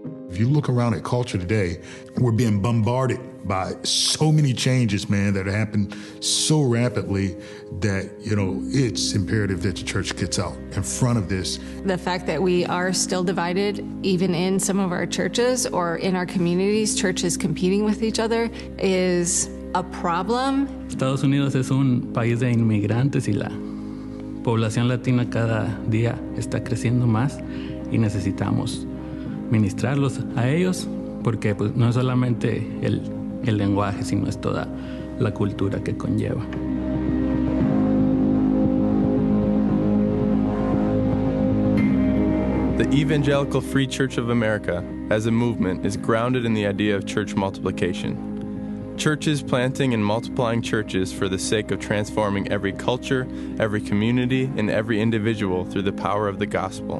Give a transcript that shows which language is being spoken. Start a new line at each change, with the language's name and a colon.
English: If you look around at culture today, we're being bombarded by so many changes, man, that happened so rapidly that, you know, it's imperative that the church gets out in front of this. The fact that we are still divided, even in some of our churches or in our communities, churches competing with each other, is a problem.
Spanish: Estados Unidos es un país de inmigrantes y la población latina cada día está creciendo más y necesitamos ministrarlos a ellos. Porque pues, no es solamente el lenguaje, sino es toda la cultura que conlleva.
English: The Evangelical Free Church of America, as a movement, is grounded in the idea of church multiplication. Churches planting and multiplying churches for the sake of transforming every culture, every community, and every individual through the power of the gospel.